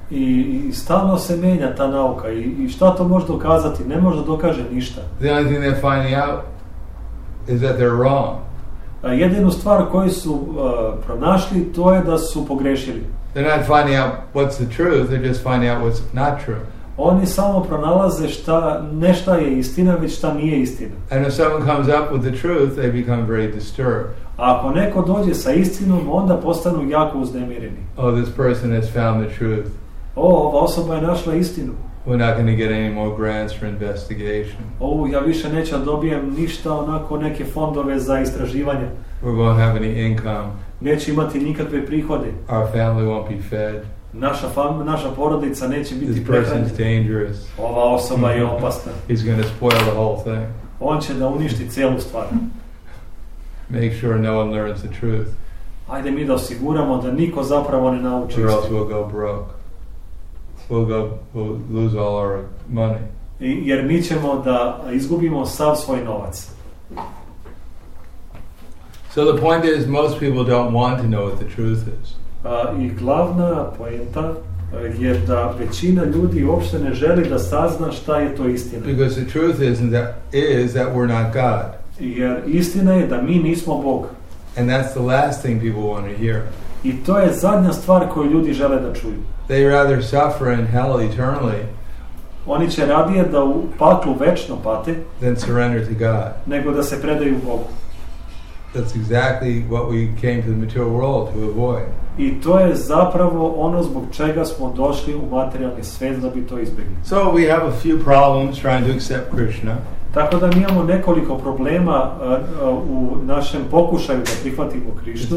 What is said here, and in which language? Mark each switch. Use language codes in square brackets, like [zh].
[sr] I stalno se menja ta nauka. I šta to može dokazati? Ne može da dokaže ništa. [en] The only thing they're finding out is that they're wrong. [sr] Jedinu stvar koju su pronašli, to je da su pogrešili. [en] They're not finding out what's the truth, they're just finding out what's not true. [sr] Oni samo pronalaze šta, ne šta je istina, već šta nije istina. [en] And if someone comes up with the truth, they become very disturbed. [sr] A ako neko dođe sa istinom, onda postanu jako uznemireni. [en] Oh, this person has found the truth. [sr] Oh, ova osoba je našla istinu. [en] We're not going to get any more grants for investigation. [sr] Oh, ja više neću dobijem ništa onako neke fondove za istraživanje. [en] We won't have any income. [sr] Neće imati nikakve prihode. [en] Our family won't be fed. [sr] Naša porodica neće biti prehranjena. [en] This person's dangerous. [sr] Ova osoba je opasna. [en] He's going to spoil the whole thing. [sr] On će da uništi celu stvar. [en] Make sure no one learns the truth. [sr] Ajde mi da osiguramo da niko zapravo ne nauči. [en] Or else we'll go broke. We'll lose all our money. [sr] Jer mi ćemo da izgubimo sav svoj novac. [en] So the point is, most people don't want to know what the truth is. [sr] I glavna poenta je da većina ljudi uopšte ne želi da sazna šta je to istina. [en] Because the truth is that we're not God. [sr] Jer istina je da mi nismo Bog. [en] And that's the last thing people want to hear. [sr] I to je zadnja stvar koju ljudi žele da čuju. [en] They rather suffer in hell eternally. [sr] Oni će radije da u paklu večno pate. [en] Than surrender to God. [sr] Nego da se predaju Bogu. [en] That's exactly what we came to the material world to avoid. [sr] I to je zapravo ono zbog čega smo došli u materijalni svijet da bi to izbjegli. [en] So we have a few problems trying to accept Krishna. [sr] Tako da mi imamo nekoliko problema u našem pokušaju da prihvatimo Krishnu.